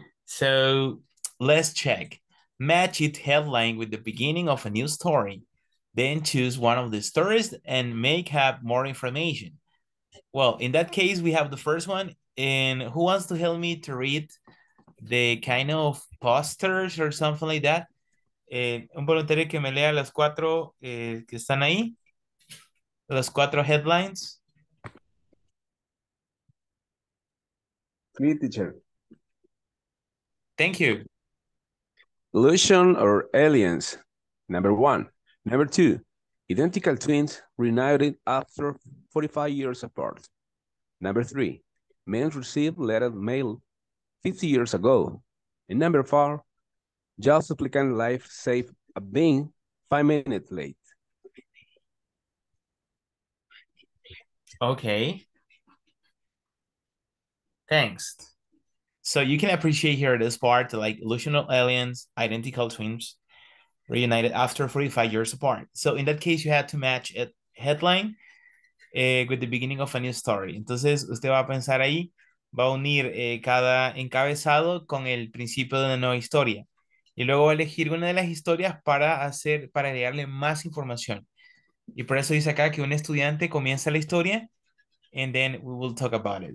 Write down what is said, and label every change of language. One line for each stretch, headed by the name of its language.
English: So let's check. Match each headline with the beginning of a new story. Then choose one of the stories and make up more information. Well, in that case, we have the first one. And who wants to help me to read the kind of posters or something like that?
Spanish: Un voluntario que me lea las cuatro que están ahí. Las cuatro headlines.
English: Me, teacher. Thank you. Illusion or aliens, number one. Number two, identical twins reunited after 45 years apart. Number three, men received letter mail 50 years ago. And number four, just applicant life save a being 5 minutes late. Okay. Thanks. So you can appreciate here this part, like illusional aliens, identical twins, reunited after 45 years apart. So in that case, you had to match a headline with the beginning of a new story.
Spanish: Entonces, usted va a pensar ahí, va a unir cada encabezado con el principio de una nueva historia. Y luego va a elegir una de las historias para agregarle más información. Y por eso dice acá que un estudiante comienza la historia,
English: and then we will talk about it.